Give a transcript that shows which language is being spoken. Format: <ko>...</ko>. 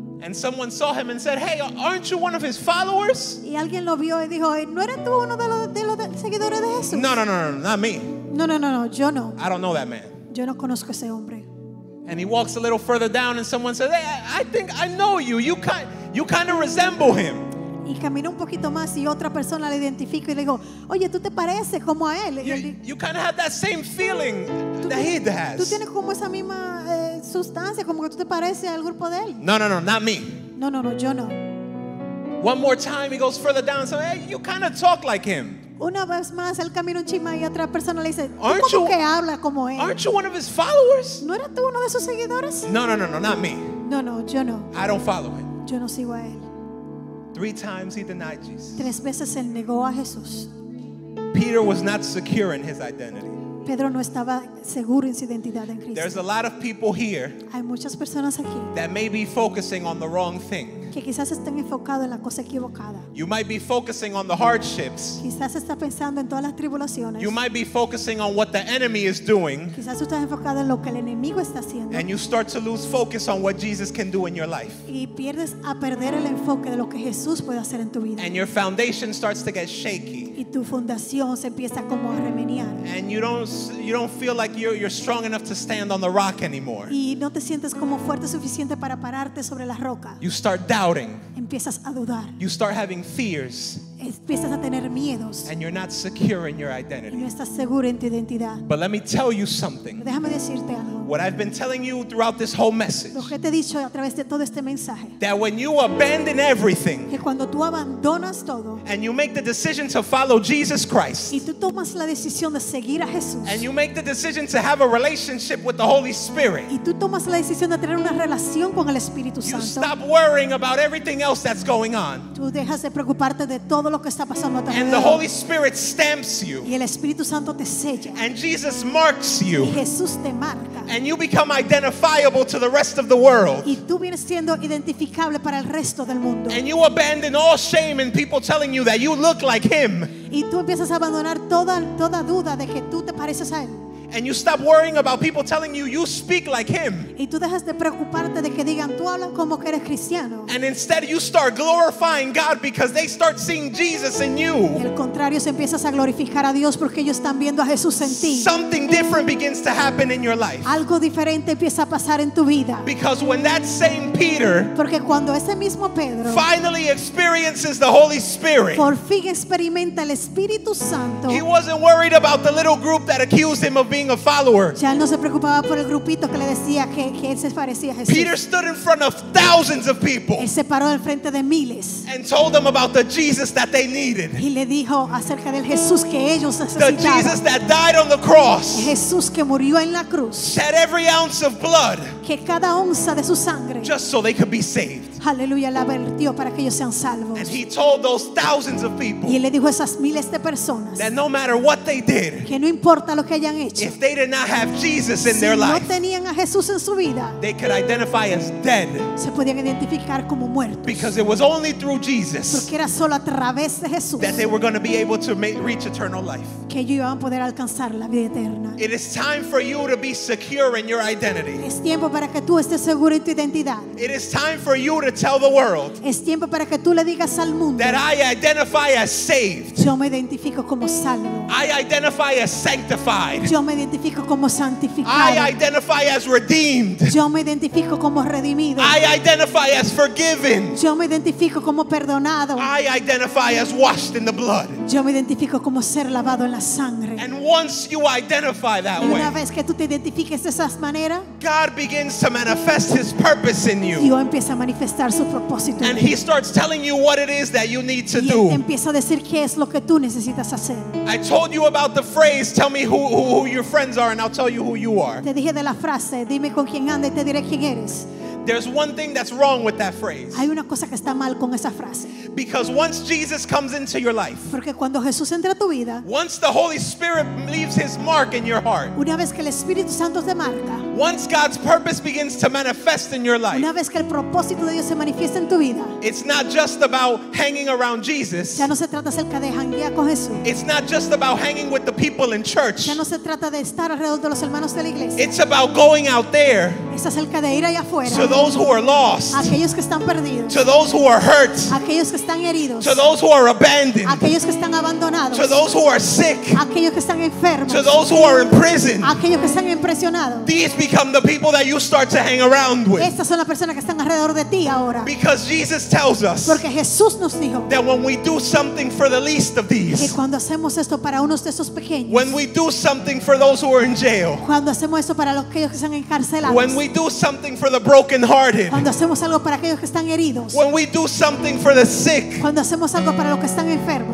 <en>And someone saw him and said, "Hey, aren't you one of his followers?"</en> <es>Y alguien lo vio y dijo, "¿No eres tú uno de los seguidores de Jesús?"</es> <en>No, not me.</en> <es>No, yo no.</es> <en>I don't know that man.</en> <es>Yo no conozco ese hombre.</es> <en>And he walks a little further down and someone says, hey, I think I know you. You kind of resemble him.</en> <es>Y camina un poquito más y otra persona le identifica y le digo, oye, tú te pareces como a él.</es> <en>You kind of have that same feeling that he has.</en> <es>Tú tienes como esa misma sustancia, como que tú te pareces al grupo de él.</es> <en>No, not me.</en> <es>No, yo no.</es> <en>One more time, he goes further down. So, hey, you kind of talk like him.</en> <es>Una vez más, él camina un chima y otra persona le dice, ¿cómo que habla como él?</es> <en>Aren't you one of his followers?</en> <es>¿No eras tú uno de sus seguidores?</es> <en>No, not me.</en> <es>No, yo no.</es> <en>I don't follow him.</en> <es>Yo no sigo a él.</es> <en>Three times he denied Jesus.</en> <es>Tres veces él negó a Jesús.</es> <en>Peter was not secure in his identity.</en> <es>Pedro no estaba seguro en su identidad en Cristo.</es> <en>There's a lot of people here.</en> <es>Hay muchas personas aquí.</es> <en>That may be focusing on the wrong thing.</en> <es>Que quizás estén enfocados en la cosa equivocada.</es> <en>You might be focusing on the hardships.</en> <es>Quizás está pensando en todas las tribulaciones.</es> <en>You might be focusing on what the enemy is doing.</en> <es>Quizás está enfocado en lo que el enemigo está haciendo.</es> <en>And you start to lose focus on what Jesus can do in your life.</en> <es>Y pierdes a perder el enfoque de lo que Jesús puede hacer en tu vida.</es> <en>And your foundation starts to get shaky.</en> <es>Y tu fundación se empieza como a remeniar.</es> <en>And you don't feel like you're strong enough to stand on the rock anymore.</en> <es>Y no te sientes como fuerte suficiente para pararte sobre la roca.</es> <en>You start doubting.</en> <es>Empiezas a dudar.</es> <en>You start having fears.</en> <es>Empiezas a tener miedos.</es> <en>And you're not secure in your identity.</en> <es>Y no estás seguro en tu identidad.</es> <en>But let me tell you something.</en> <es>Déjame decirte algo.</es> <en>What I've been telling you throughout this whole message.</en> <es>Lo que te he dicho a través de todo este mensaje.</es> <en>That when you abandon everything.</en> <es>Que cuando tú abandonas todo.</es> <en>And you make the decision to follow Jesus Christ.</en> <es>Y tú tomas la decisión de seguir a Jesús.</es> <en>And you make the decision to have a relationship with the Holy Spirit.</en> <es>Y tú tomas la decisión de tener una relación con el Espíritu Santo.</es> <en>You stop worrying about everything else that's going on.</en> <es>Tú dejas de preocuparte de todo lo que está pasando a tu alrededor.</es> <en>And the Holy Spirit stamps you.</en> <es>Y el Espíritu Santo te sella.</es> <en>And Jesus marks you.</en> <es>Y Jesús te marca.</es> <en>And you become identifiable to the rest of the world.</en> <es>Y tú vienes siendo identificable para el resto del mundo.</es> <en>And you abandon all shame in people telling you that you look like him.</en> <es>Y tú empiezas a abandonar toda duda de que tú te pareces a él.</es> <en>And you stop worrying about people telling you you speak like him.</en> <es>Y tú dejas de preocuparte de que digan tú hablas como que eres cristiano.</es> <en>And instead you start glorifying God because they start seeing Jesus in you.</en> <es>Y al contrario, se empiezas a glorificar a Dios porque ellos están viendo a Jesús en ti.</es> <en>Something different begins to happen in your life.</en> <es>Algo diferente empieza a pasar en tu vida.</es> <en>Because when that same Peter,</en> <es>porque cuando ese mismo Pedro,</es> <en>finally experiences the Holy Spirit,</en> <es>por fin experimenta el Espíritu Santo,</es> <en>he wasn't worried about the little group that accused him of being a follower.</en> <es>Ya no se preocupaba por el grupito que le decía que él se parecía a Jesús.</es> <en>Peter stood in front of thousands of people.</en> <es>Él se paró al frente de miles.</es> <en>And told them about the Jesus that they needed.</en> <es>Y le dijo acerca del Jesús que ellos necesitaban.</es> <en>The Jesus that died on the cross.</en> <es>Jesús que murió en la cruz.</es> <en>Shed every ounce of blood.</en> <es>Que cada onza de su sangre.</es> <en>Just so they could be saved.</en> <es>Aleluya, la vertió para que ellos sean salvos.</es> <en>And he told those thousands of people.</en> <es>Y él le dijo a esas miles de personas.</es> <en>That no matter what they did.</en> <es>Que no importa lo que hayan hecho.</es> <en>If they did not have Jesus in their life,</en> <es>si no tenían a Jesús en su vida,</es> <en>they could identify as dead.</en> <es>Se podían identificar como muertos.</es> <en>Because it was only through Jesus,</en> <es>porque era solo a través de Jesús,</es> <en>that they were going to be able to reach eternal life.</en> <es>Que ellos iban a poder alcanzar la vida eterna.</es> <en>It is time for you to be secure in your identity.</en> <es>Es tiempo para que tú estés seguro en tu identidad.</es> <en>It is time for you to tell the world,</en> <es>es tiempo para que tú le digas al mundo,</es> <en>that I identify as saved.</en> <es>Yo me identifico como salvo.</es> <en>I identify as sanctified.</en> <es>Yo me identifico como santificado.</es> <en>I identify as redeemed.</en> <es>Yo me identifico como redimido.</es> <en>I identify as forgiven.</en> <es>Yo me identifico como perdonado.</es> <en>I identify as washed in the blood.</en> <es>Yo me identifico como ser lavado en la sangre.</es> <en>And once you identify that way,</en> <es>una vez que tú te identifiques de esas maneras,</es> <en>God begins to manifest his purpose in you.</en> <es>Dios empieza a manifestar su propósito.</es> <en>And he starts telling you what it is that you need to do.</en> <es>Y empieza a decir qué es lo que tú necesitas hacer.</es> <en>I told you about the phrase, tell me who your friends are and I'll tell you who you are.</en> <es>Te dije de la frase, dime con quién andas y te diré quién eres.</es> <en>There's one thing that's wrong with that phrase.</en> <es>Hay una cosa que está mal con esa frase.</es> <en>Because once Jesus comes into your life,</en> <es>porque cuando Jesús entra a tu vida,</es> <en>once the Holy Spirit leaves his mark in your heart,</en> <es>una vez que el Espíritu Santo te marca,</es> <en>once God's purpose begins to manifest in your life,</en> <es>una vez que el propósito de Dios se manifiesta en tu vida,</es> <en>it's not just about hanging around Jesus.</en> <es>Ya no se trata acerca de hanguear con Jesús.</es> <en>It's not just about hanging with the people in church.</en> <es>Ya no se trata de estar alrededor de los hermanos de la iglesia.</es> <en>It's about going out there.</en> <es>Es acerca de ir allá afuera.</es> <en>To those who are lost.</en> <es>Aquellos que están perdidos.</es> <en>To those who are hurt.</en> <es>Aquellos que están heridos.</es> <en>To those who are abandoned.</en> <es>Aquellos que están abandonados.</es> <en>To those who are sick.</en> <es>Aquellos que están enfermos.</es> <en>To those who are in prison.</en> <es>Aquellos que están impresionados.</es> <en>These become the people that you start to hang around with.</en> <es>Estas son las personas que están alrededor de ti ahora.</es> <en>Because Jesus tells us,</en> <es>porque Jesús nos dijo,</es> <en>that when we do something for the least of these,</en> <es>que cuando hacemos esto para unos de esos pequeños,</es> <en>when we do something for those who are in jail,</en> <es>cuando hacemos esto para los que ellos que están encarcelados,</es> <en>when we do something for the brokenhearted,</en> <es>cuando hacemos algo para aquellos que están heridos,</es> <en>when we do something for the sick,</en> <es>cuando hacemos algo para los que están enfermos,</es>